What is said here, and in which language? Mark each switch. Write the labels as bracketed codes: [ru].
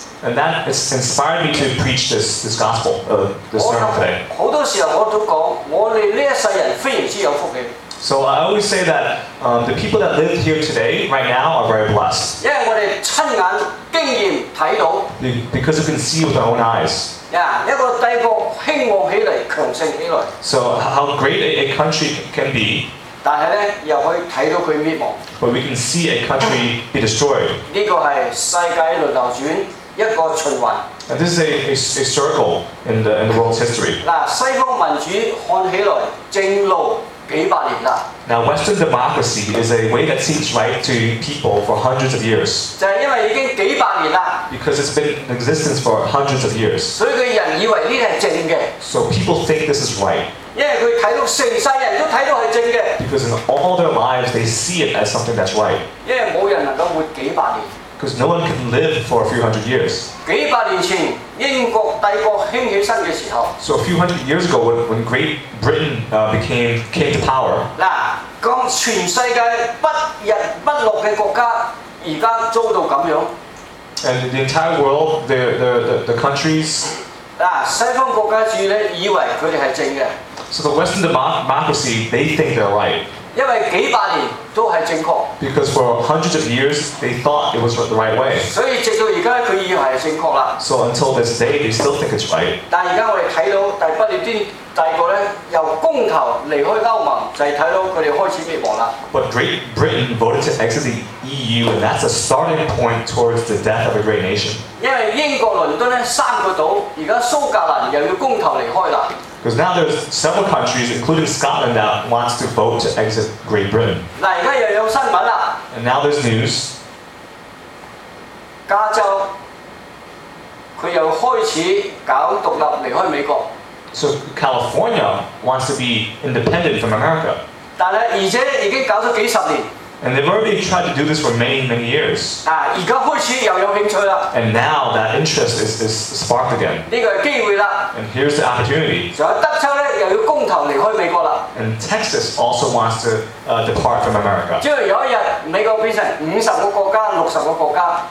[en] And that has inspired me to preach this gospel of this sermon today. [yue] 好多時候我都講，我哋呢一世人非常之有福氣。 [en] So I always say that the people that live here today, right now, are very blessed. [yue] 因為我哋親眼經驗睇到。 [en] Because we can see with our own eyes. [yue] 一個帝國興旺起嚟，強盛起來。 [en] So how great a country can be. [yue] 但係咧，又可以睇到佢滅亡。 [en] But we can see a country be destroyed. [yue] 呢個係世界輪流轉一個循環。 [en] And this is a circle in the world's history. [yue] 嗱，西方民主看起來正路幾百年啦。 [en] Now Western democracy is a way that seems right to people for hundreds of years. [yue] 就係因為已經幾百年啦。 [en] Because it's been in existence for hundreds of years. [yue] 所以佢人以為呢係正嘅。 [en] So people think this is right. [yue] 因為佢睇到成世人都睇到係正嘅。 [en] Because in all their lives they see it as something that's right. [yue] 因為冇人能夠活幾百年。 [en] Because no one can live for a few hundred years. [yue] 幾百年前英國帝國興起身嘅時候。 [en] So a few hundred years ago when Great Britain came to power. [yue] 嗱，咁全世界不日不落嘅國家，而家遭到咁樣。 [en] And the entire world, the countries. [yue] 西方國家主咧以為佢哋係正嘅。 [en] So the Western democracy, they think they're right. [yue] 因為幾百年都係正確。 [en] Because for hundreds of years, they thought it was the right way. [yue] 所以直到而家佢以為係正確啦。 [en] So until this day, they still think it's right. [yue] 但而家我哋睇到第不列顛帝國咧由公投離開歐盟，就係睇到佢哋開始滅亡啦。 [en] But Great Britain voted to exit the EU, and that's a starting point towards the death of a great nation. [yue] 因為英國倫敦咧三個島，而家蘇格蘭又要公投離開啦。 [en] Because now there's several countries, including Scotland, that wants to vote to exit Great Britain. [yue] 嗱，而家又有新聞啦。 [en] And now there's news. [yue] 加州，佢又開始搞獨立離開美國。 [en] So California wants to be independent from America. [yue] 但係而且已經搞咗幾十年。 [en] And they've already tried to do this for many, many years. [yue] 啊，而家開始又有興趣啦。 [en] And now that interest is sparked again. [yue] 呢個係機會啦。 [en] And here's the opportunity. [yue] 仲有德州咧，又要公投離開美國啦。 [en] And Texas also wants to depart from America. [yue] 即係有一日，美國變成50個國家、60個國家。